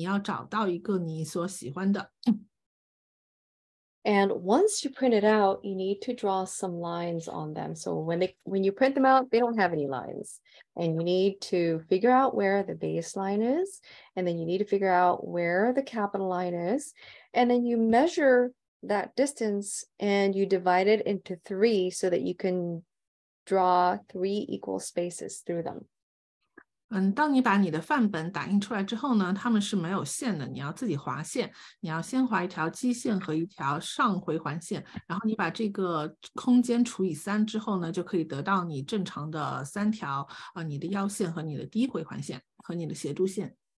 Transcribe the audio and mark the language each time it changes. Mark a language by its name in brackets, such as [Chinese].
[Chinese] 对于大写字母来说非常重要的是你要先找到一个范本，它的这些范本都是在zenarian.com上面下载的，在上面可以看到许多不同书法家他们的范本，你要找到一个你所喜欢的。 [English] And once you print it out, you need to draw some lines on them. So when you print them out, they don't have any lines. And you need to figure out where the baseline is. And then you need to figure out where the capital line is. And then you measure that distance and you divide it into three so that you can draw three equal spaces through them. [Chinese] 当你把你的范本打印出来之后呢，它们是没有线的，你要自己划线，你要先划一条基线和一条上回环线，然后你把这个空间除以三之后呢，就可以得到你正常的三条，你的腰线和你的低回环线和你的斜度线。